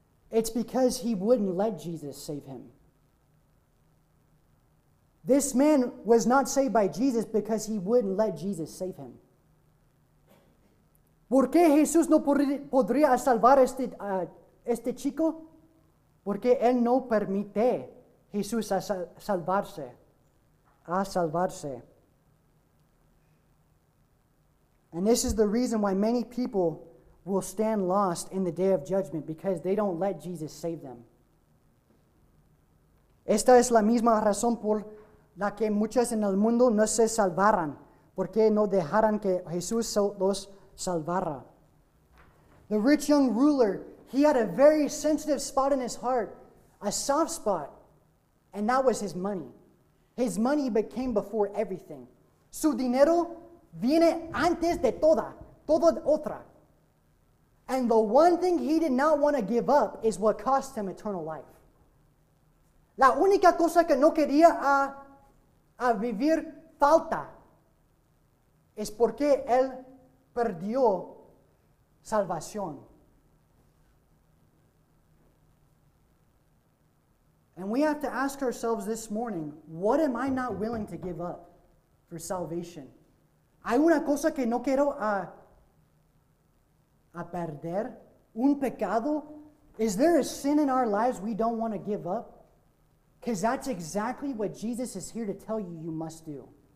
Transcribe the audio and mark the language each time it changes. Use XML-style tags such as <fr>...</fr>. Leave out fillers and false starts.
<en>It's because he wouldn't let Jesus save him. This man was not saved by Jesus because he wouldn't let Jesus save him.</en> <es>¿Por qué Jesús no podría a salvar este chico? Porque él no permite Jesús a salvarse.</es> <en>And this is the reason why many people will stand lost in the day of judgment, because they don't let Jesus save them.</en> <es>Esta es la misma razón por la que muchas en el mundo no se salvaran, porque no dejaran que Jesús los salvara.</es> <en>The rich young ruler, he had a very sensitive spot in his heart, a soft spot, and that was his money. His money became before everything.</en> <es>Su dinero viene antes de todo otra.</es> <en>And the one thing he did not want to give up is what cost him eternal life.</en> <es>La única cosa que no quería a vivir falta es porque él perdió salvación.</es> <en>And we have to ask ourselves this morning, what am I not willing to give up for salvation?</en> <es>Hay una cosa que no quiero a perder, un pecado.</es> <en>Is there a sin in our lives we don't want to give up? Because that's exactly what Jesus is here to tell you must do.</en>